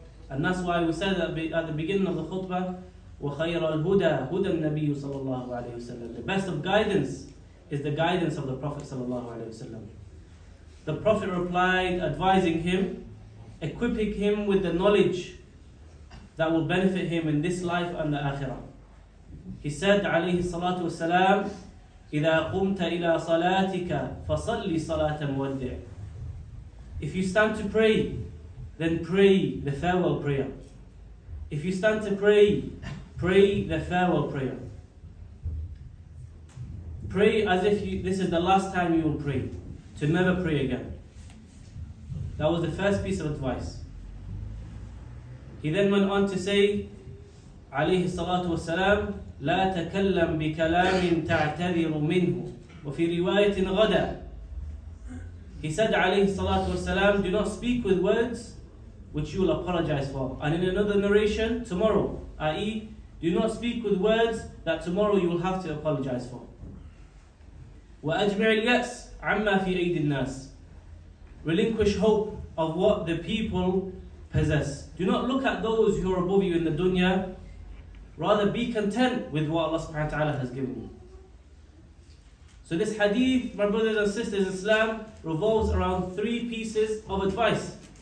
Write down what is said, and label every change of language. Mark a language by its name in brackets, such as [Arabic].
[English] And that's why we said that at the beginning of the khutbah, [Arabic] وخير الهدى هدى النبي صلى الله عليه وسلم. [English] The best of guidance is the guidance of the Prophet صلى الله عليه وسلم. The Prophet replied, advising him, equipping him with the knowledge that will benefit him in this life and the Akhirah. He said [Arabic] عليه الصلاة والسلام: إذا قمت إلى صلاتك فصلي صلاة مودع. [English] If you stand to pray, then pray the farewell prayer. If you stand to pray, pray the farewell prayer. Pray as if this is the last time you will pray, to never pray again. That was the first piece of advice. He then went on to say, عليه الصلاة والسلام: [Arabic] لا تكلم بكلام تعتذر منه. وفي رواية غدا. [English] He said, عليه الصلاة والسلام, do not speak with words which you will apologize for. And in another narration, tomorrow, i.e., do not speak with words that tomorrow you will have to apologize for. [Arabic] وأجمع اليأس عما في أيدي الناس. [English] Relinquish hope of what the people possess. Do not look at those who are above you in the dunya. Rather, be content with what Allah subhanahu wa ta'ala has given you. So this hadith, my brothers and sisters in Islam, revolves around three pieces of advice.